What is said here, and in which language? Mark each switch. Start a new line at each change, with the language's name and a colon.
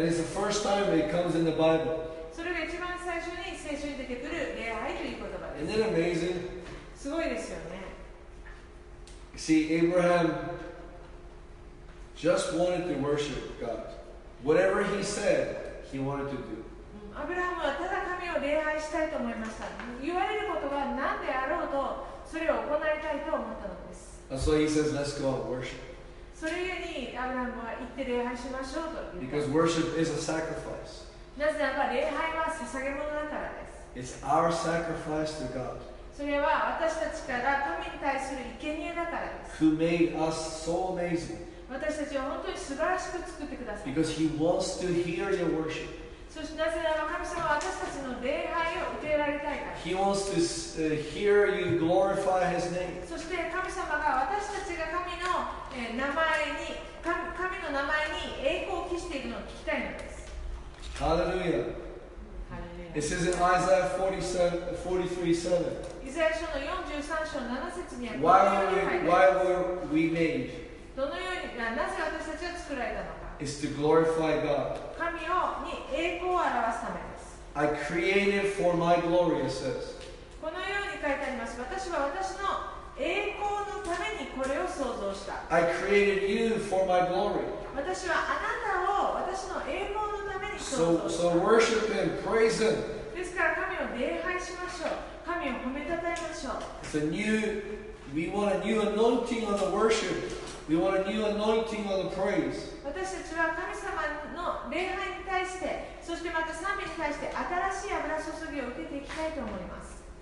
English: And it's the first time it comes in the Bible.
Japanese: それが一番最初に聖書に出てくる礼拝という言葉です。
English: Isn't it amazing?
Japanese: すごいですよね。
English: You see, Abraham just wanted to worship God. Whatever he said, he wanted to do.
Japanese: アブラハムはただ神を礼拝したいと思いました。言われることが何であろうと、それを行いたいと思ったのです。
English: And so he says, let's go and worship.
Japanese: それゆえにアブラハムは行って礼拝しましょうと。
English: Because worship is a sacrifice.
Japanese: なぜなら礼拝は捧げ物だからです。
English: It's our sacrifice to God.
Japanese: それは私たちから神に対する生贄だからです。
English: Who made us so amazing.
Japanese: 私たちを本当に素晴らしく作ってくださった。
English: Because he wants to hear your worship.
Japanese: そしてなぜなら神様は私たちの礼拝を受けられたいから。
English: He wants to hear you glorify his name.
Japanese: そして神様が私たちが神の神の名前に栄光を期しているのを聞きたいのです。
English: Hallelujah. It says in Isaiah 43:7.
Japanese: イザヤ書の43章7節にある。
English: Why were we made?
Japanese: どのように、なぜ私たちは作られたのか。
English: It's to glorify God.
Japanese: 神に栄光を表すためです。
English: I created for my glory, it says.
Japanese: このように書いてあります。私は私の栄光のためにこれを創造した。
English: I created you for my glory.
Japanese: 私はあなたを私の栄光のために創造した。
English: So worship him, praise him.
Japanese: ですから神を礼拝しましょう。神を褒めたたえましょう。
English: It's a new, we want a new anointing on the worship. We want a new anointing on the praise.
Japanese: 私たちは神様の礼拝に対して、そしてまた賛美に対して新しい油注ぎを受けていきたいと思います。